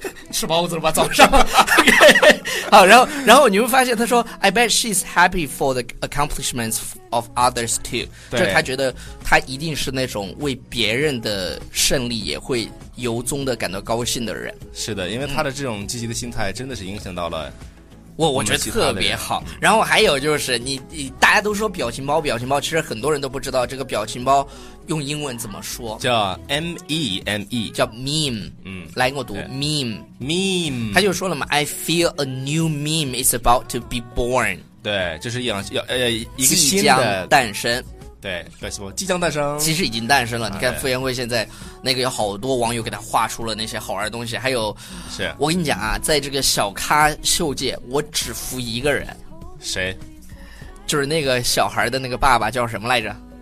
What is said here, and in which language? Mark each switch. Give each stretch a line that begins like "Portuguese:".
Chinese: 吃包子了吧早上、okay、好，然后你会发现他说
English: I bet she's happy for the accomplishments of others too，
Chinese: 就是他觉得他一定是那种为别人的胜利也会由衷的感到高兴的人。是的，因为他的这种积极的心态真的是影响到了我觉得特别好。然后还有就是你大家都说表情包，其实很多人都不知道这个表情包用英文怎么说，叫 meme，叫 meme。来给我读
English: meme。
Chinese: 他就说了嘛
English: ，I feel a new meme is about to be born。
Chinese: 对，就是一个新的即将诞生。对，表情包即将诞生，其实已经诞生了。你看傅园慧现在那个有好多网友给他画出了那些好玩的东西，还有，是我跟你讲啊，在这个小咖秀界，我只服一个人。谁？就是那个小孩的那个爸爸叫什么来着？